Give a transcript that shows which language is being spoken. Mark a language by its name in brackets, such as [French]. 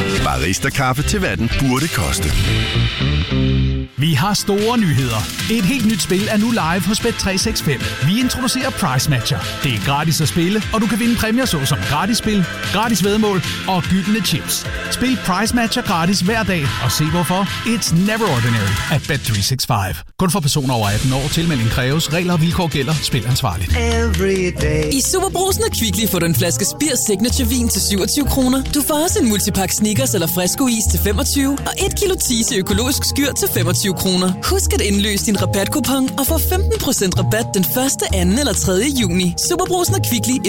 [Danish] Barista-kaffe til hvad den burde koste. Vi har store nyheder. Et helt nyt spil er nu live hos Bet365. Vi introducerer Price Matcher. Det er gratis at spille, og du kan vinde præmier såsom gratis spil, gratis væddemål og gyldne chips. Spil Price Matcher gratis hver dag og se hvorfor. [English] It's never ordinary at Bet365. [Danish] Kun for personer over 18 år. Tilmelding kræves. Regler og vilkår gælder. Spil ansvarligt. I Superbrugsen og Kvickly får du en flaske Spears Signature Vin til 27 kroner. Du får også en multipak Snickers eller Fresco Is til 25 og 1 kilo Tise økologisk skyr til 25 kroner. Husk at indløse din rabatkupon og få 15% rabat den 1., 2. eller 3. juni. Superbrugsen og Kvickly.